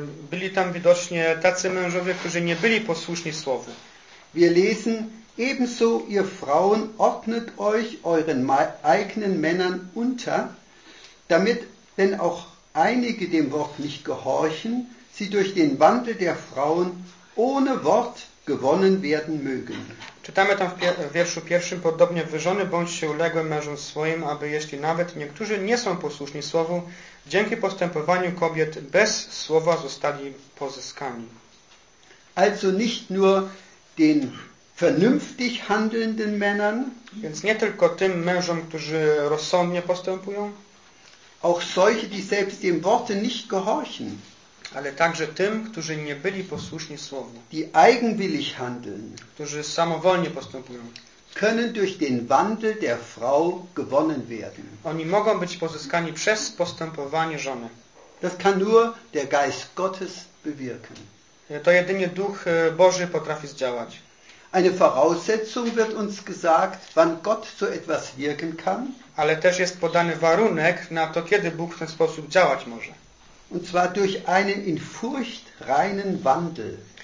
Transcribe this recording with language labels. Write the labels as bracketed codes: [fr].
[pl] Byli tam widocznie tacy mężowie, którzy nie byli posłuszni słowu. [de] Wir lesen, ebenso ihr Frauen ordnet euch euren eigenen Männern unter, damit, wenn auch einige dem Wort nicht gehorchen, sie durch den Wandel der Frauen ohne Wort gewonnen werden mögen. [pl] Czytamy tam w wierszu pierwszym: podobnie wy żony bądźcie uległe mężom swoim, aby jeśli nawet niektórzy nie są posłuszni słowu, dzięki postępowaniu kobiet bez słowa zostali pozyskani. [de] Also nicht nur den vernünftig handelnden Männern, [pl] więc nie tylko tym mężom, którzy rozsądnie postępują, [de] auch solche, die selbst dem Worte nicht gehorchen, [pl] ale także tym, którzy nie byli posłuszni słowu, [de] die eigenwillig handeln, [pl] którzy samowolnie postępują, [de] können durch den Wandel der Frau gewonnen werden. [pl] Oni mogą być pozyskani przez postępowanie żony. [de] Das kann nur der Geist Gottes bewirken. [pl] To jedynie Duch Boży potrafi zdziałać. [de] Eine Voraussetzung wird uns gesagt, wann Gott so etwas wirken kann. [pl] Ale też jest podany warunek na to, kiedy Bóg w ten sposób działać może. [de] Und zwar durch einen in Furcht reinen Wandel.